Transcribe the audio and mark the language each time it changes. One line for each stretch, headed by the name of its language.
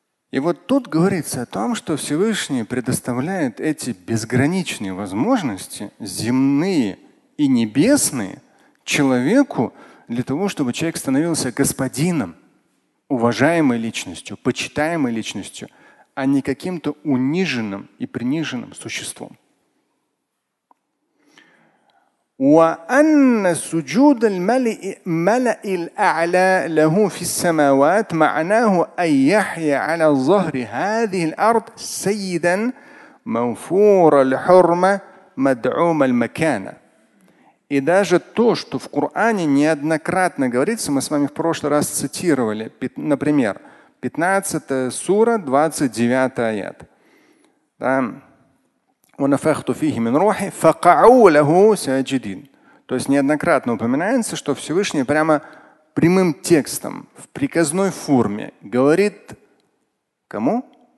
Russian: И вот тут говорится о том, что Всевышний предоставляет эти безграничные возможности, земные и небесные, человеку для того, чтобы человек становился господином, уважаемой личностью, почитаемой личностью, а не каким-то униженным и приниженным существом.
Arabic: وأن سجود الملأ الأعلى له في السماوات معناه أن يحيى على ظهر هذه الأرض سيدا موفور الحرمة مدعوم المكانة.
Russian: И даже то, что в Коране неоднократно говорится, мы с вами в прошлый раз цитировали, например, 15 сура, 29 аят. То есть неоднократно упоминается, что Всевышний прямо прямым текстом, в приказной форме говорит кому?